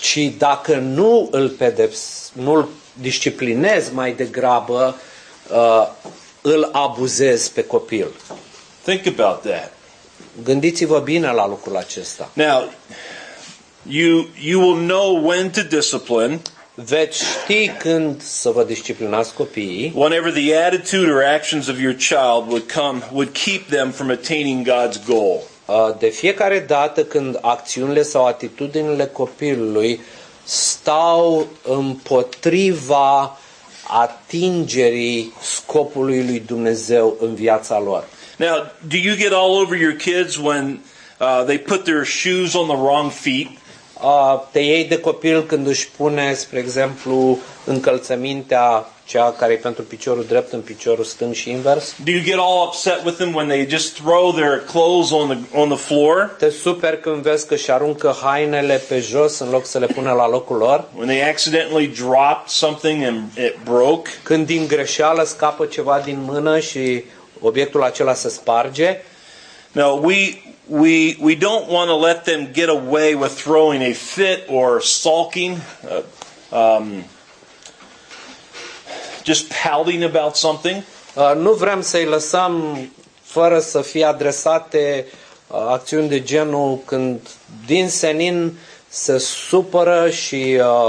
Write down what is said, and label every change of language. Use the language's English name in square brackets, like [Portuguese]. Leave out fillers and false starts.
[Romanian] Ci dacă nu îl disciplinezi mai degrabă, îl abuzezi pe copil. [English] Think about that. [Romanian] Gândiți-vă bine la lucrul acesta. [English] Now, you will know when to discipline. [Romanian] Veți ști când să vă disciplinați copiii. [English] Whenever the attitude or actions of your child would keep them from attaining God's goal. [Romanian] De fiecare dată când acțiunile sau atitudinile copilului stau împotriva atingerii scopului lui Dumnezeu în viața lor. [English] Now, do you get all over your kids when they put their shoes on the wrong feet? [Romanian] Te iei de copil când își pune, spre exemplu, încălțămintea cea care e pentru piciorul drept în piciorul stâng și invers? [English] Do you get all upset with them when they just throw their clothes on the floor? [Romanian] Te superi când vezi că și aruncă hainele pe jos în loc să le pună la locul lor? [English] When they accidentally drop something and it broke? [Romanian] Când din greșeală scapă ceva din mână și obiectul acela se sparge? [English] Now we don't want to let them get away with throwing a fit or sulking, just pouting about something. [Romanian] Nu vrem să-i lăsăm fără să fie adresate acțiuni de genul când din senin se supără și